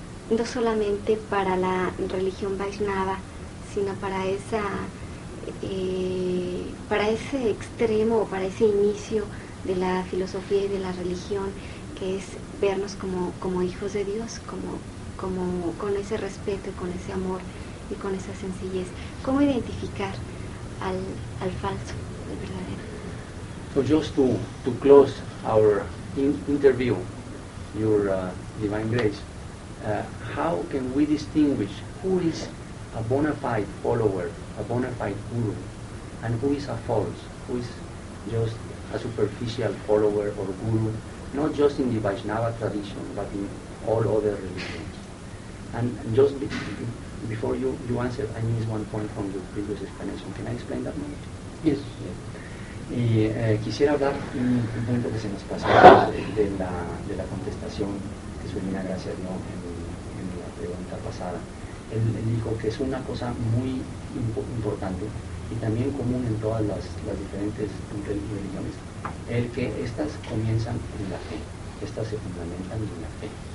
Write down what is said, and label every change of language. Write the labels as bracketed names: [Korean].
[Spanish] no solamente para la religión Vaishnava, sino para ese extremo o para ese inicio de la filosofía y de la religión, que es vernos como hijos de Dios, como con ese respeto y con ese amor y con esa sencillez? ¿Cómo identificar al falso, al verdadero? [English] So just to close our interview, your divine grace, how can we distinguish who is a bona fide follower, a bona fide guru, and who is a false, who is just a superficial follower or guru, not just in the Vaishnava tradition, but in all other religions? And just before you answer, I missed one point from your previous explanation. Can I explain that more? Yes. [Spanish] Y quisiera hablar un punto que se nos pasó de la contestación que su divina gracia dio en la pregunta pasada. Él dijo que es una cosa muy importante y también común en todas las diferentes religiones, el que estas comienzan en la fe, estas se fundamentan en la fe.